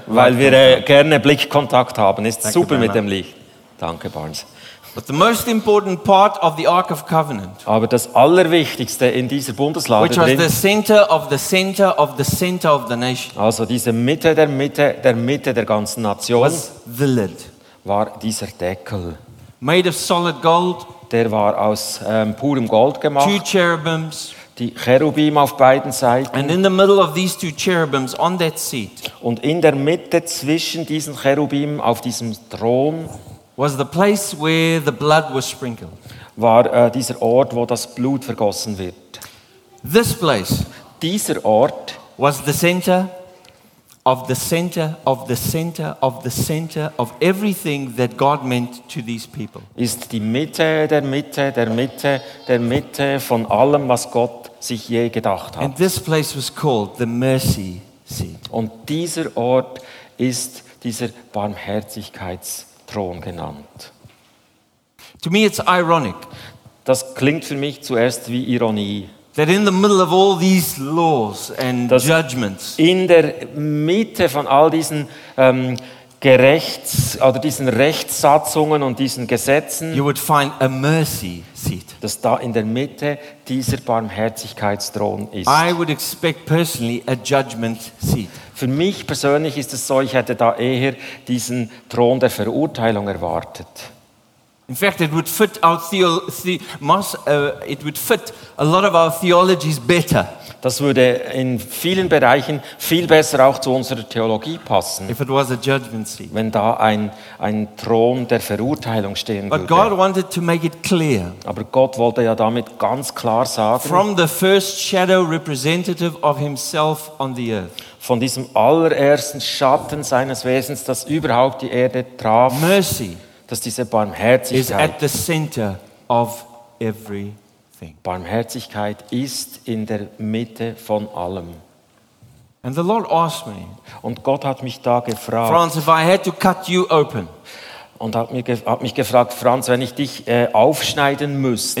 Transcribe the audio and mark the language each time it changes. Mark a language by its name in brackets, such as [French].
[German] Weil wir gerne Blickkontakt haben, ist thank super mit dem Licht. Danke, Barnes. [English] But the most important part of the Ark of Covenant. [German] Aber das Allerwichtigste in dieser Bundeslade drin. [English] Which was the center of the center of the center of the nation. [German] Also diese Mitte der Mitte der Mitte der ganzen Nation. [English] Was the lid. [German] War dieser Deckel. [English] Made of solid gold, [German] der war aus purem Gold gemacht. [English] Two cherubims, [German] die Cherubim auf beiden Seiten. [English] And in the middle of these two cherubims on that seat, [German] und in der Mitte zwischen diesen Cherubim auf diesem Thron [English] was the place where the blood was sprinkled. [German] War dieser Ort, wo das Blut vergossen wird. [English] This place, [German] dieser Ort [English] was the center of the center of the center of the center of everything that God meant to these people. [German] Ist die Mitte der Mitte der Mitte der Mitte von allem, was Gott sich je gedacht hat. [English] And this place was called the mercy seat. [German] Und dieser Ort ist dieser Barmherzigkeitsthron genannt. [English] To me it's ironic. [German] Das klingt für mich zuerst wie Ironie. [English] That in the middle of all these laws and [German] dass [English] judgments, [German] in der Mitte von all diesen Gerechts oder diesen Rechtssatzungen und diesen Gesetzen, [English] you would find a mercy seat. [German] Dass da in der Mitte dieser Barmherzigkeitsthron ist. [English] I would expect personally a judgment seat. [German] Für mich persönlich ist es so, ich hätte da eher diesen Thron der Verurteilung erwartet. [English] In fact, it would fit our it would fit a lot of our theologies better. [German] Das würde in vielen Bereichen viel besser auch zu unserer Theologie passen. [English] If it was a judgment seat. [German] Wenn da ein Thron der Verurteilung stehen [English] but [German] würde. [English] God wanted to make it clear. [German] Aber Gott wollte ja damit ganz klar sagen. [English] From the first shadow representative of himself on the earth. [German] Von diesem allerersten Schatten seines Wesens, das überhaupt die Erde traf. [English] Mercy. [German] Dass diese Barmherzigkeit [English] is at the center of everything. [German] Barmherzigkeit ist in der Mitte von allem. [English] And the Lord asked me, [German] und Gott hat mich da gefragt, [English] Franz, if I had to cut you open, [German] und hat mich gefragt, Franz, wenn ich dich aufschneiden müsste.